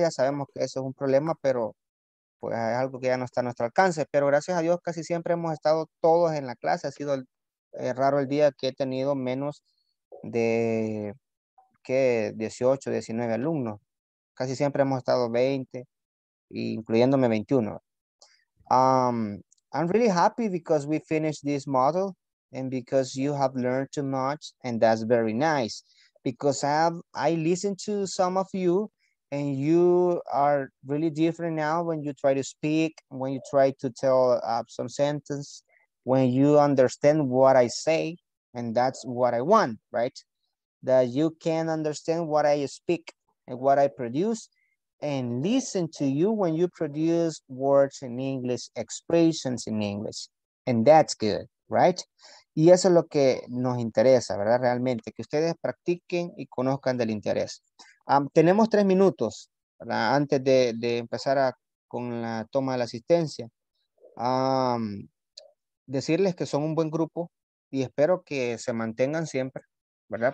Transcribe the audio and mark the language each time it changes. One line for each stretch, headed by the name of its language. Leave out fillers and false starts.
Spanish: Ya sabemos que eso es un problema, pero pues es algo que ya no está a nuestro alcance. Pero gracias a Dios casi siempre hemos estado todos en la clase. Ha sido raro el día que he tenido menos de 18, 19 alumnos. Casi siempre hemos estado 20, incluyéndome 21.
English: I'm really happy because we finished this module and because you have learned too much, and that's very nice. Because I listened to some of you, and you are really different now when you try to speak, when you try to tell some sentence, when you understand what I say, and that's what I want, right? That you can understand what I speak and what I produce and listen to you when you produce words in English, expressions in English, and that's good, right?
Spanish: Y eso es lo que nos interesa, ¿verdad? Realmente, que ustedes practiquen y conozcan del interés. Tenemos 3 minutos, ¿verdad? Antes de empezar con la toma de la asistencia. Decirles que son un buen grupo y espero que se mantengan siempre, ¿verdad?